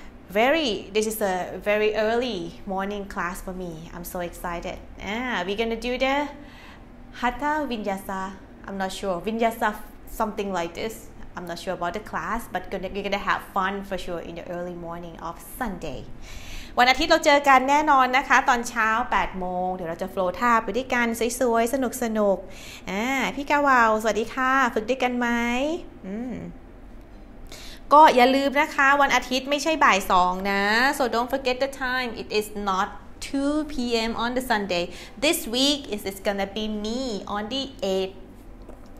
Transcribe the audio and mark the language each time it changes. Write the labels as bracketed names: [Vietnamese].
[English] This is a very early morning class for me I'm so excited we gonna do the Hatha VinyasaI'm not sure. Vinyasa, something like this. I'm not sure about the class, but you're gonna have fun for sure in the early morning of Sunday. [Thai] วันอาทิตย์เราเจอกันแน่นอนนะคะตอนเช้า8โมงเดี๋ยวเราจะโฟลว์ท่าไปด้วยกันสวยๆสนุกพี่กาวาวสวัสดีค่ะฝึกด้วยกันไหมก็อย่าลืมนะคะวันอาทิตย์ไม่ใช่บ่ายสองนะ [English] So don't forget the time. It is not 2 p.m. on the Sunday. This week is gonna be me on the 8